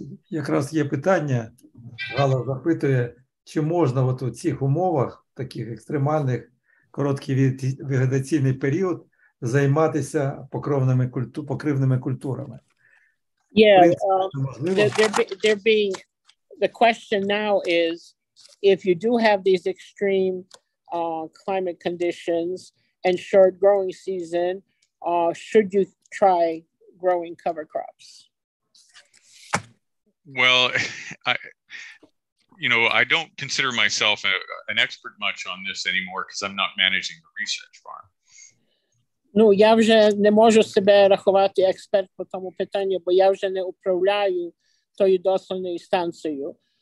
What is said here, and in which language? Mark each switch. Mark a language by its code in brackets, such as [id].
[uk] Якраз є питання. Гала запитує, чи можна от у цих умовах, таких екстремальних, короткий вегетаційний період, займатися покривними культурами? [en] Yeah, there being the question now is, if you do have these extreme climate conditions and short growing season, should you try growing cover crops? Well, I don't consider myself an expert much on this anymore because I'm not managing the research farm. [uk] Ну, я вже не можу себе рахувати експерт по тому питанню, бо я вже не управляю тою дослідною станцією.